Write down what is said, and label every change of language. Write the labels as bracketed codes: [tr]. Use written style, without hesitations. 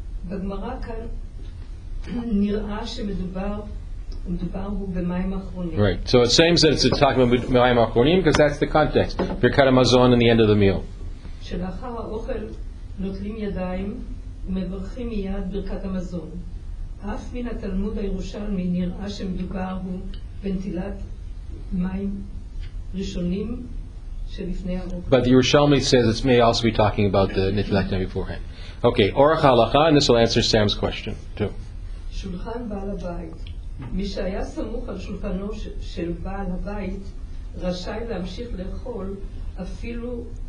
[he] בגמרא כאן נראה שמדובר הוא במים אחרונים. [en] Right. So it seems that it's talking about מים אחרונים because that's the context. Birkat HaMazon and the end of the meal. [he] שלאחר האוכל נוטלים ידיים ומברכים מיד ברכת המזון. אף מן התלמוד הירושלמי נראה שמדובר הוא בנטילת מים ראשונים שלפני ארוחה. [en] But the Yerushalmi says it may also be talking about the Nitilat Yom beforehand. Okay, Orach HaLacha, and this will answer Sam's question too. [he] שולחן בעל הבית. מי שהיה סמוך על שולחנו של בעל הבית רשאי להמשיך לאכול אפילו